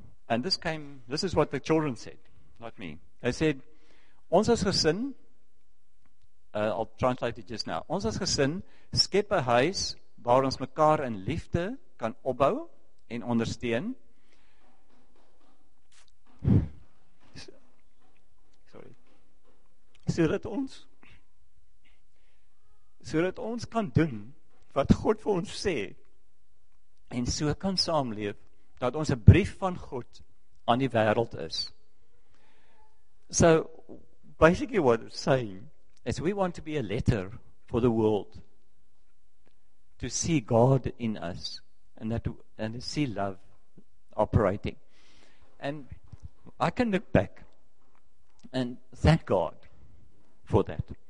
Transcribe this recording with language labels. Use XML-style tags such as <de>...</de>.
<en>And this is what the children said, not me. They said,</en> <af>ons is gesin,</af> <en>I'll translate it just now.</en> <af>Ons is gesin, skep 'n huis waar ons mekaar in liefde kan opbou en ondersteun. Sorry. Sodat ons kan doen wat God vir ons sê en so kan saamleef dat ons 'n brief van God aan die wêreld is.</af> <en>So basically what it's saying is we want to be a letter for the world to see God in us and to see love operating. And I can look back and thank God for that.</en>